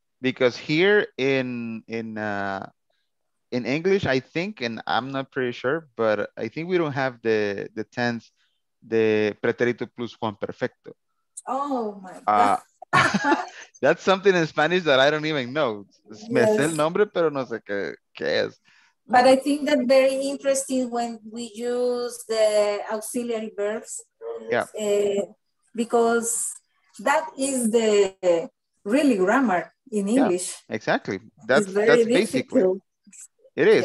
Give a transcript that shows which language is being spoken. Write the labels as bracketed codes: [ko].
[en] Because here in English, I think, and I'm not pretty sure, but I think we don't have the tense, the pretérito plus Juan perfecto. Oh, my God. That's something in Spanish that I don't even know. Yes. [es] Me sé el nombre, pero no sé qué es. [en] But I think that very interesting when we use the auxiliary verbs. Yeah. Because that is the really grammar in English. Yeah, exactly. That's basically. It is.